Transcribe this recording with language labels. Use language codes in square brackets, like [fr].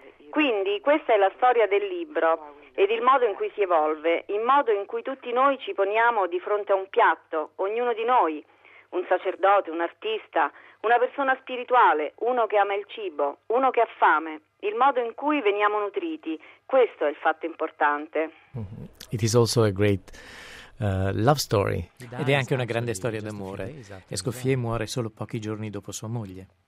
[it] Quindi questa è la storia del libro ed il modo in cui si evolve, il modo in cui tutti noi ci poniamo di fronte a un piatto, ognuno di noi, un sacerdote, un artista, una persona spirituale, uno che ama il cibo, uno che ha fame, il modo in cui veniamo nutriti, questo è il fatto importante. [en] It is also a great love story. [it] Ed è anche una grande storia d'amore. Escoffier muore solo pochi giorni dopo sua moglie.